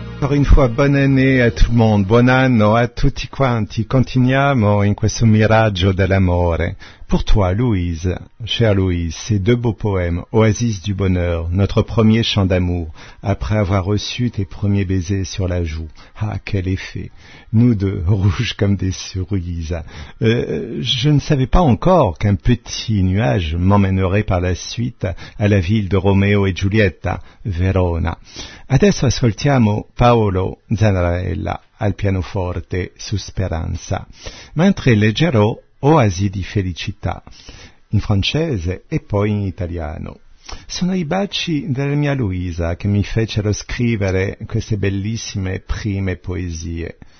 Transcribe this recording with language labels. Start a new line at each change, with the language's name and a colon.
French: Une fois, bonne année à tout le monde,
Italian: buon anno a tutti quanti, continuiamo in questo miraggio dell'amore.
French: Pour toi, Louise, chère Louise, ces deux beaux poèmes, Oasis du bonheur, notre premier chant d'amour, après avoir reçu tes premiers baisers sur la joue. Ah, quel effet! Nous deux, rouges comme des cerises. Je ne savais pas encore qu'un petit nuage m'emmènerait par la suite à la ville de Romeo et Giulietta, Verona.
Italian: Adesso ascoltiamo Paolo Zanarella al pianoforte su Speranza. Mentre leggerò Oasi di felicità, in francese e poi in italiano. Sono i baci della mia Luisa che mi fecero scrivere queste bellissime prime poesie.